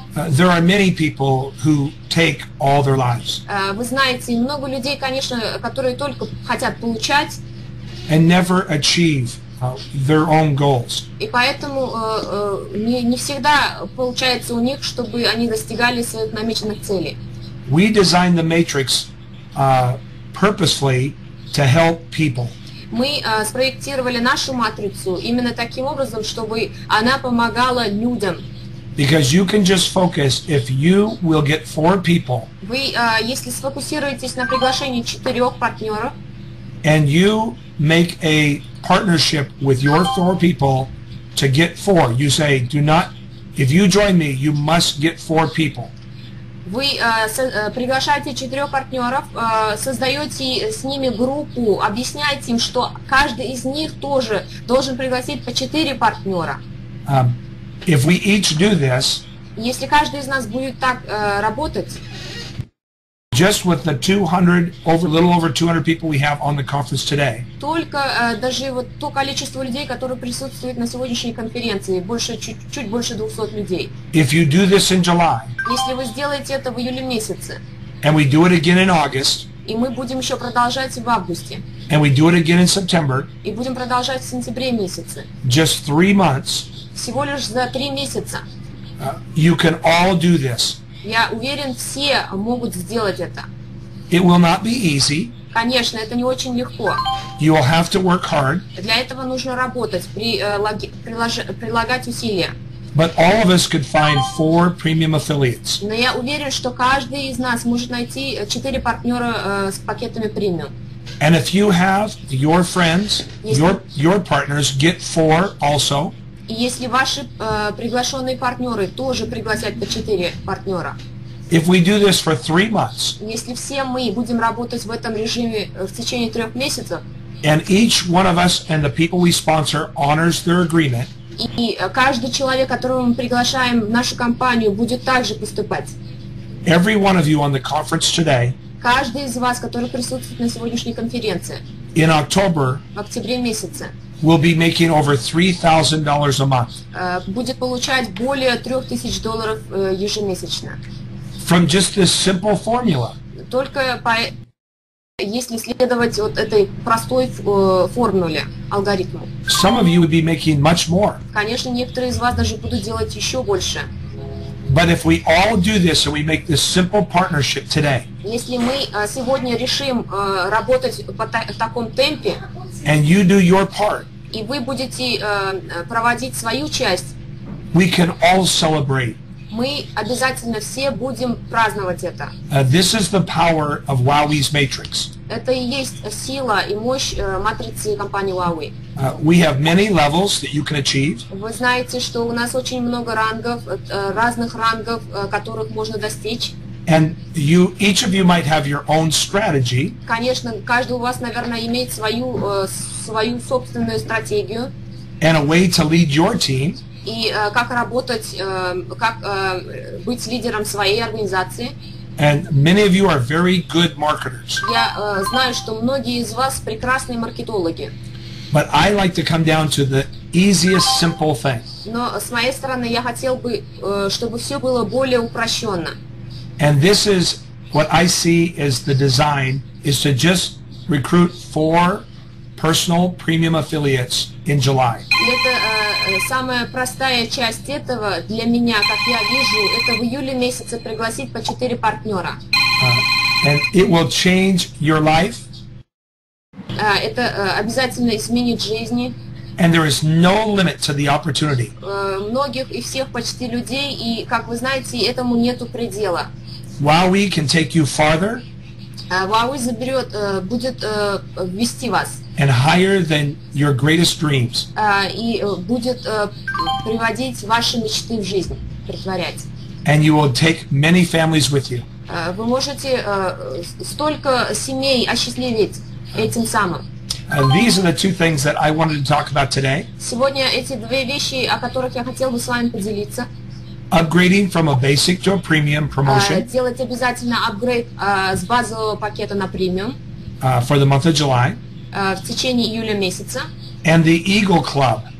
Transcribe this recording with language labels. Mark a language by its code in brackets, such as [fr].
[en] There are many people who take all their lives. [ru] Вы знаете, много людей, конечно, которые только хотят получать. [en] And never achieve their own goals. [ru] И поэтому не всегда получается у них, чтобы они достигали своих намеченных целей. [en] We designed the matrix purposely to help people. [ru] Мы спроектировали нашу матрицу именно таким образом, чтобы она помогала людям. [en] Because you can just focus if you will get four people. [ru] Вы если сфокусируетесь на приглашении четырех партнеров. [en] And you make a partnership with your four people to get four. You say, do not, if you join me, you must get four people. [ru] Вы приглашаете четырех партнеров, создаете с ними группу, объясняете им, что каждый из них тоже должен пригласить по четыре партнера. [en] If we each do this, [ru] если каждый из нас будет так работать, [en] just with the 200, over, little over 200 people we have on the conference today. [ru] Только даже вот то количество людей, которые присутствуют на сегодняшней конференции, больше чуть-чуть больше 200 людей. [en] If you do this in July. [ru] Если вы сделаете это в июле месяце. [en] And we do it again in August. [ru] И мы будем еще продолжать в августе. [en] And we do it again in September. [ru] И будем продолжать в сентябре месяце. [en] Just 3 months. [ru] Всего лишь за 3 месяца. [en] You can all do this. [ru] Я уверен, все могут сделать это. [en] It will not be easy. [ru] Конечно, это не очень легко. [en] You will have to work hard. [ru] Для этого нужно работать, прилагать усилия. [en] But all of us could find 4 premium affiliates. [ru] Но я уверен, что каждый из нас может найти 4 партнера с пакетами премиум. [en] And if you have your friends, your partners, get 4 also. [ru] И если ваши приглашенные партнеры тоже пригласят по 4 партнера. [en] If we do this for 3 months. [ru] Если все мы будем работать в этом режиме в течение 3 месяцев. [en] And each one of us and the people we sponsor honors their agreement. [ru] И каждый человек, которого мы приглашаем в нашу компанию, будет также поступать. [en] Every one of you on the conference today. [ru] Каждый из вас, который присутствует на сегодняшней конференции. [en] In October. [ru] В октябре месяце. [en] Will be making over $3,000 a month. [ru] Будет получать более $3,000 ежемесячно. [en] From just this simple formula. [ru] Только по если следовать вот этой простой формуле, алгоритму. [en] Some of you would be making much more. [ru] Конечно, некоторые из вас даже будут делать еще больше. [en] But if we all do this and we make this simple partnership today. [ru] Если мы сегодня решим работать по таком темпе. [en] And you do your part. [ru] И вы будете проводить свою часть. [en] We can all celebrate. [ru] Мы обязательно все будем праздновать это. [en] This is the power of Huawei's Matrix. [ru] Это и есть сила и мощь матрицы компании Huawei. [en] We have many levels that you can achieve. [ru] Вы знаете, что у нас очень много рангов, разных рангов, которых можно достичь. [en] And you, each of you might have your own strategy. [ru] Конечно, каждый у вас, наверное, имеет свою собственную стратегию. [en] And a way to lead your team. [ru] И как работать, как быть лидером своей организации. [en] And many of you are very good marketers. [ru] Я знаю, что многие из вас прекрасные маркетологи. [en] But I like to come down to the easiest, simple thing. [ru] Но с моей стороны, я хотел бы, чтобы все было более упрощенно. [en] And this is what I see as the design is to just recruit 4 personal premium affiliates in July. [ru] Это самая простая часть этого для меня, как я вижу, это в июле месяце пригласить по 4 партнера. [en] And it will change your life. [ru] Это обязательно изменит жизни. [en] And there is no limit to the opportunity. [ru] Многих и всех почти людей, и как вы знаете, этому нету предела. [en] Huawei can take you farther. [ru] Huawei заберет, будет вести вас. [en] And higher than your greatest dreams. [ru] И будет приводить ваши мечты в жизнь, притворять. [en] And you will take many families with you. [ru] Вы можете столько семей осчастливить этим самым. [en] And these are the 2 things that I wanted to talk about today. [ru] Сегодня эти 2 вещи, о которых я хотел бы с вами поделиться. [en] Upgrading from a basic to a premium promotion. [ru] Делать обязательно апгрейд с базового пакета на премиум. [en] For the month of July. [ru] В течение июля месяца. [en] And the Eagle Club.